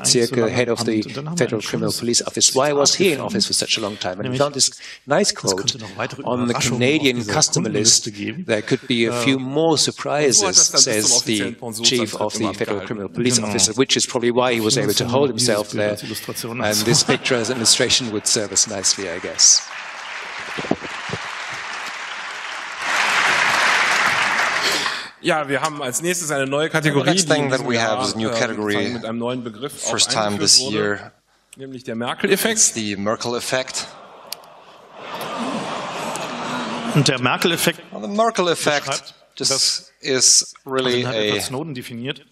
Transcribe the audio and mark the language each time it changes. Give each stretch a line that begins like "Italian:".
English: Zierke, head of the Federal Criminal Police Office? Why was he in office for such a long time? And we found this nice quote on the Canadian customer list. There could be a few more surprises, says the chief of the Federal Criminal Police Office, which is probably why he was able to hold himself there. And this picture as an illustration would serve us nicely, I guess.
German: Ja, wir haben als nächstes eine neue Kategorie.
English: The next thing that we have is a new category.
German: Mit einem neuen Begriff,
English: first time this year.
German: Nämlich der Merkel-Effekt.
English: The Merkel-Effekt.
German: Und der Merkel-Effekt.
English: The Merkel-Effekt.
German: Das ist
English: really
German: a. Edward Snowden definiert.